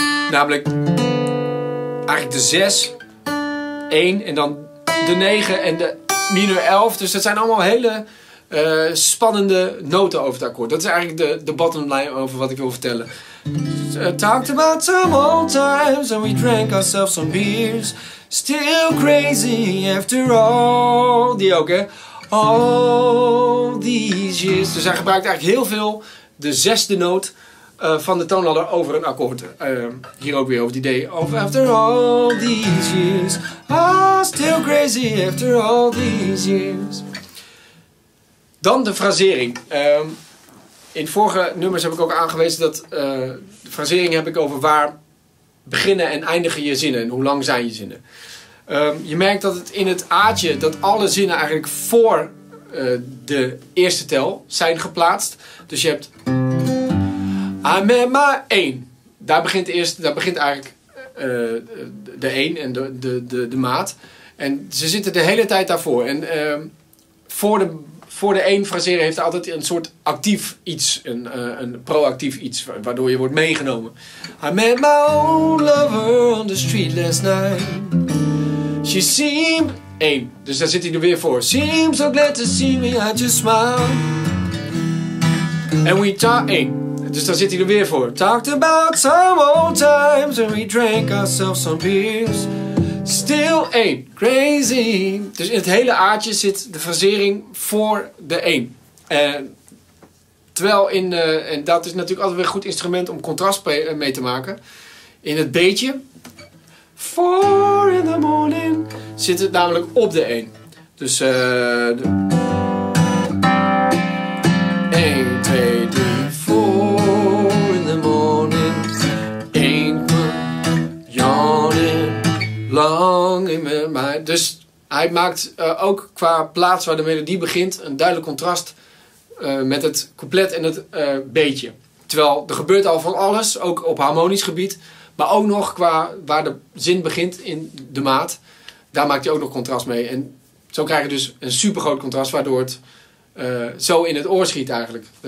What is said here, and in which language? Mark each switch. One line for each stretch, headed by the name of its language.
Dutch: Namelijk eigenlijk de 6, 1 en dan de 9 en de minor 11. Dus dat zijn allemaal hele spannende noten over het akkoord. Dat is eigenlijk de bottom line over wat ik wil vertellen.
English: We talked about some old times and we drank ourselves some beers. Still crazy after all.
Dutch: Die ook, hè?
English: All these years.
Dutch: Dus hij gebruikt eigenlijk heel veel de zesde noot van de toonladder over een akkoord. Hier ook weer over die D.
English: After all these years. Still crazy after all these years.
Dutch: Dan de frasering. In vorige nummers heb ik ook aangewezen dat de frasering heb ik over waar beginnen en eindigen je zinnen. En hoe lang zijn je zinnen. Je merkt dat het in het A'tje, dat alle zinnen eigenlijk voor de eerste tel zijn geplaatst. Dus je hebt
English: I met my
Dutch: 1. Daar begint eerst, daar begint eigenlijk de 1 en de maat. En ze zitten de hele tijd daarvoor. En voor de 1 fraseren heeft altijd een soort actief iets. Een proactief iets, waardoor je wordt meegenomen.
English: I met my old lover on the street last night. She seemed 1.
Dutch: Dus daar zit hij er weer voor.
English: Seemed so glad to see me, I just smile. And we talked 1.
Dutch: Dus daar zit hij er weer voor.
English: Talked about some old times and we drank ourselves some beers. Still 1. Crazy.
Dutch: Dus in het hele A'tje zit de frasering voor de 1. Terwijl in en dat is natuurlijk altijd weer een goed instrument om contrast mee te maken. In het B'tje.
English: 4 in the morning
Dutch: zit het namelijk op de 1. Dus 1, 2, 3,
English: 4 in the morning. 1, yawning, long in my
Dutch: Dus hij maakt ook qua plaats waar de melodie begint een duidelijk contrast met het couplet en het beetje. Terwijl er gebeurt al van alles, ook op harmonisch gebied. Maar ook nog qua waar de zin begint in de maat. Daar maakt hij ook nog contrast mee. En zo krijg je dus een super groot contrast, waardoor het zo in het oor schiet eigenlijk.